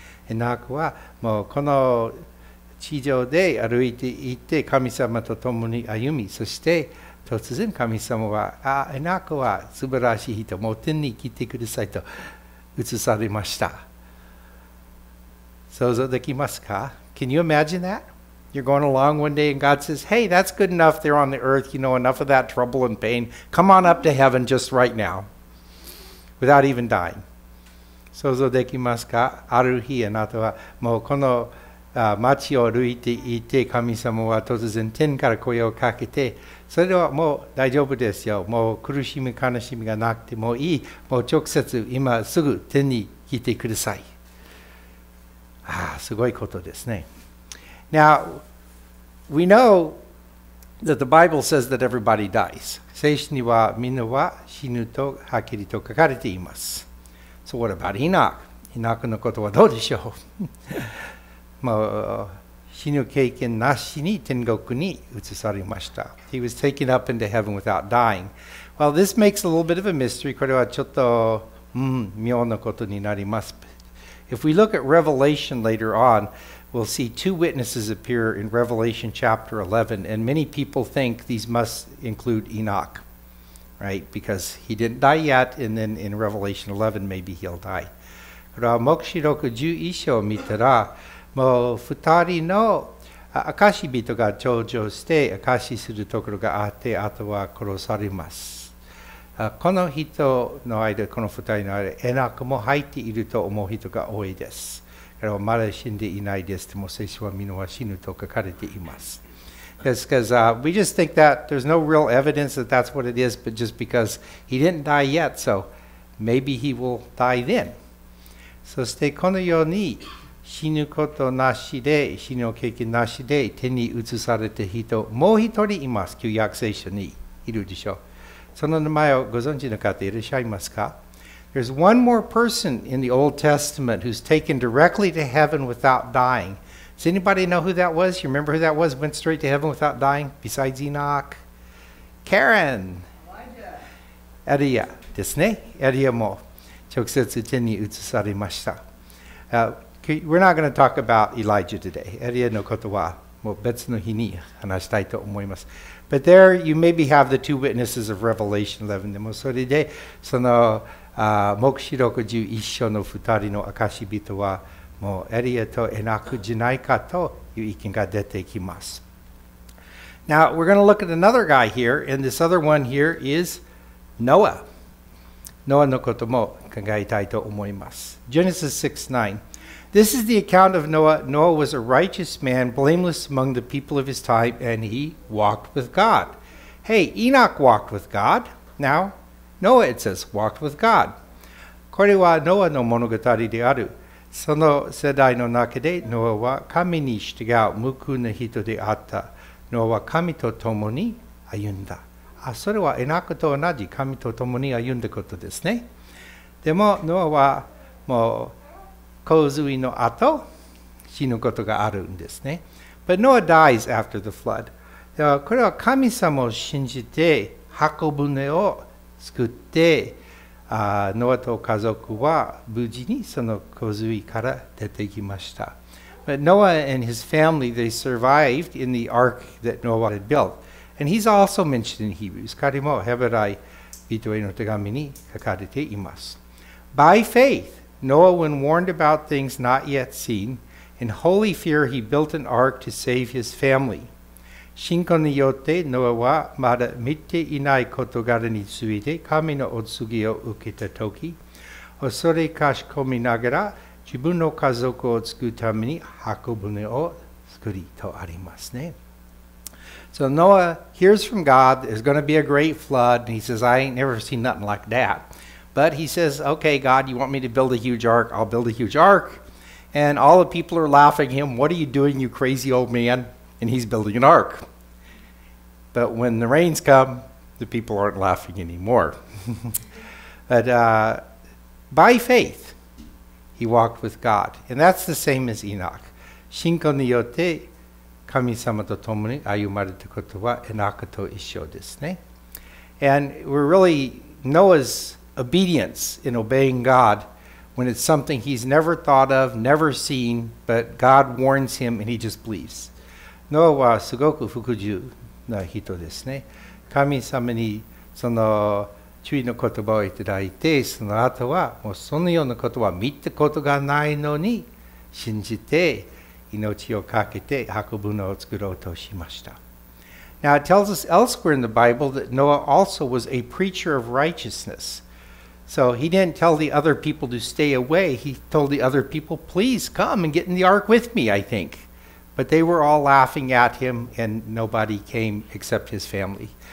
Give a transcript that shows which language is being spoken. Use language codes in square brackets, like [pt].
[ja] Enoch はもうこの地上で歩いていて、神様と共に歩み、そして突然神様は、Enoch は素晴らしい人、もう天に来てくださいと移されました。想像できますか？ [en] Can you imagine that? You're going along one day and God says, hey, that's good enough there on the earth. You know, enough of that trouble and pain. Come on up to heaven just right now without even dying. [ja] 想像できますか？ある日あなたはもうこの街を歩いていて、神様は突然天から声をかけて、それではもう大丈夫ですよ。もう苦しみ悲しみがなくてもいい。もう直接今すぐ天に来てください。すごいことですね。 [en] Now, we know that the Bible says that everybody dies. [ja] 聖書にはみんなは死ぬとはっきりと書かれています。 [en] So what about Enoch? [ja] Enoch のことはどうでしょう？もう死ぬ経験なしに天国に移されました。 [en] He was taken up into heaven without dying. Well, this makes a little bit of a mystery. [ja] これはちょっと、妙なことになります。 [en] If we look at Revelation later on, we'll see two witnesses appear in Revelation chapter 11, and many people think these must include Enoch, right? Because he didn't die yet, and then in Revelation 11, maybe he'll die. [ja] これは黙示録11章を見たら、もう二人の証し人が登場して証しするところがあって、あとは殺されます。この人の間、この二人の間、エナクも入っていると思う人が多いです。これはまだ死んでいないです。でも聖書は皆は死ぬと書かれています。 [en] That's because we just think that there's no real evidence that that's what it is, but just because he didn't die yet, so maybe he will die then. [ja] そしてこのように死ぬことなしで死ぬ経験なしで天に移された人もう一人います。旧約聖書にいるでしょう。その名前をご存知の方いらっしゃいますか？ [en] There's one more person in the Old Testament who's taken directly to heaven without dying. Does anybody know who that was? You remember who that was? Went straight to heaven without dying besides Enoch? Karen! Elijah! [ja] エリアですね。エリアも直接天に移されました。 [en] We're not going to talk about Elijah today. [ja] エリアのことはもう別の日に話したいと思います。 [en] But there you maybe have the two witnesses of Revelation 11. [ja] でもそれでその黙示録11章の二人の証し人はもうエリアとエナクじゃないかという意見が出てきます。 [en] Now we're going to look at another guy here, and this other one here is Noah. [ja] ノアのことも考えたいと思います。 [en] Genesis 6:9. This is the account of Noah. Noah was a righteous man, blameless among the people of his time, and he walked with God. Hey, Enoch walked with God. Now, Noah, it says, walked with God. [ja] これはノアの物語である。その世代の中で、ノアは神に従う無垢な人であった。ノアは神と共に歩んだ。それはエナクと同じ神と共に歩んだことですね。でもノアはもう洪水の後死ぬことがあるんですね。 [en] But Noah dies after the flood. [ja] これは神様を信じて箱舟を作ってノアと家族は無事にその洪水から出てきました。 [en] But Noah and his family, they survived in the ark that Noah had built. And he's also mentioned in Hebrews. [ja] 彼もヘブライ人への手紙に書かれています。 [en] By faith, Noah, when warned about things not yet seen, in holy fear he built an ark to save his family. [ja] 信仰によってノアはまだ見ていない事柄について神のお告げを受けた時、恐れかしこみながら自分の家族を救うために箱舟を作りとありますね。 [en] So Noah hears from God, there's going to be a great flood, and he says, I ain't never seen nothing like that. But he says, okay, God, you want me to build a huge ark? I'll build a huge ark. And all the people are laughing at him, what are you doing, you crazy old man? And he's building an ark. But when the rains come, the people aren't laughing anymore. But by faith, he walked with God. And that's the same as Enoch. [ja] 信仰によって神様と共に歩まれたことはエナクと一緒ですね。 [en] And we're really Noah's obedience in obeying God when it's something he's never thought of, never seen, but God warns him and he just believes. [ja] ノアはすごく服従な人ですね。神様にその注意の言葉をいただいて、その後はもうそのようなことは見たことがないのに信じて、命をかけて箱舟を作ろうとしました。 [en] Now it tells us elsewhere in the Bible that Noah also was a preacher of righteousness. So he didn't tell the other people to stay away. He told the other people, please come and get in the ark with me, I think. But they were all laughing at him and nobody came except his family.